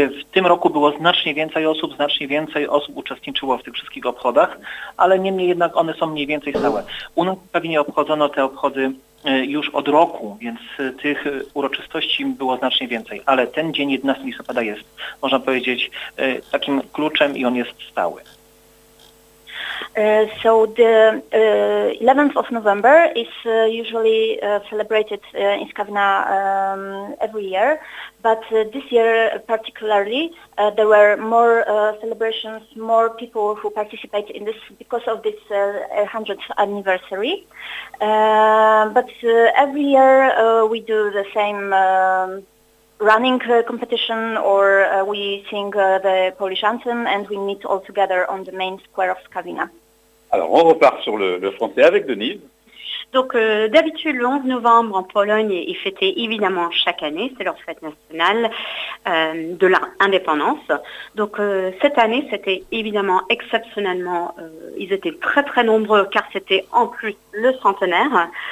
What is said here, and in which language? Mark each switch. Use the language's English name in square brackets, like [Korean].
[Polish] W tym roku było znacznie więcej osób uczestniczyło w tych wszystkich obchodach, ale niemniej jednak one są mniej więcej stałe. U nas w Skawinie obchodzono te obchody już od roku, więc tych uroczystości było znacznie więcej, ale ten dzień 11 listopada jest, można powiedzieć, takim kluczem i on jest stały. [English] So the 11th of November is usually celebrated in Skawina every year, but this year particularly there were more celebrations, more people who participate in this because of this 100th anniversary. But every year we do the same running competition or we sing the Polish anthem and we meet all together on the main square of Skawina. [French] Alors, on repart sur le français avec Denise. Donc, d'habitude, le 11 novembre en Pologne est fêté évidemment chaque année. C'est leur fête nationale de l'indépendance. Donc, cette année, c'était évidemment exceptionnellement... ils étaient très, très nombreux car c'était en plus le centenaire.